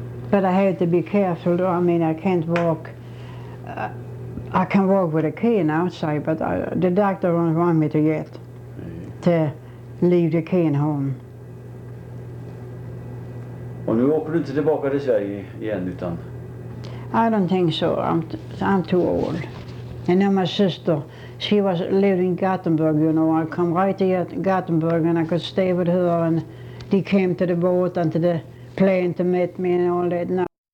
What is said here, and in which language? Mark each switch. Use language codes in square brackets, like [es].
[en] But I had to be careful, though. I mean, I can't walk. I can walk with a cane outside, but the doctor won't want me to yet to leave the cane home. [sv] Och nu åker du inte tillbaka till Sverige igen utan? [en] I don't think so. I'm too old. And then my sister, she was living in Gothenburg, you know. I come right here to Gothenburg and I could stay with her, and they came to the boat and to the plane to meet me and all that.